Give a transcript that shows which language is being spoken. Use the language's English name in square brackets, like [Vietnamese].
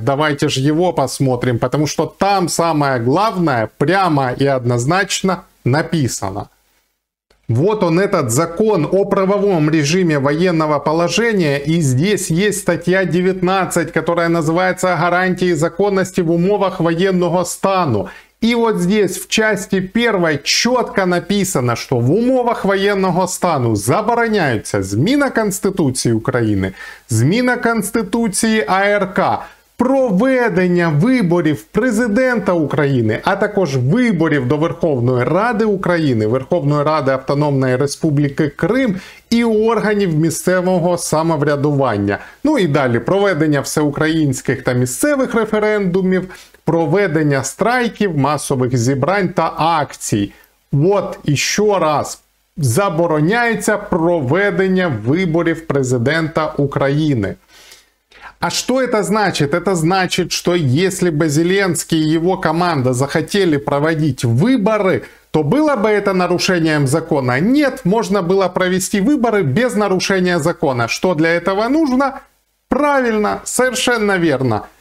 [Russian] Давайте же его посмотрим, потому что там самое главное прямо и однозначно написано. Вот он, этот закон о правовом режиме военного положения, и здесь есть статья 19, которая называется «Гарантии законности в условиях военного стану». И вот здесь в части первой четко написано, что в условиях военного стану [Ukrainian] забороняются зміна Конституции Украины, зміна Конституции АРК, проведення виборів президента України, а також виборів до Верховної Ради України, Верховної Ради Автономної Республіки Крим і органів місцевого самоврядування. Ну і далі проведення всеукраїнських та місцевих референдумів, проведення страйків, масових зібрань та акцій. От іще раз забороняється проведення виборів президента України. [Russian] А что это значит? Это значит, что если бы Зеленский и его команда захотели проводить выборы, то было бы это нарушением закона? Нет, можно было провести выборы без нарушения закона. Что для этого нужно? Правильно, совершенно верно.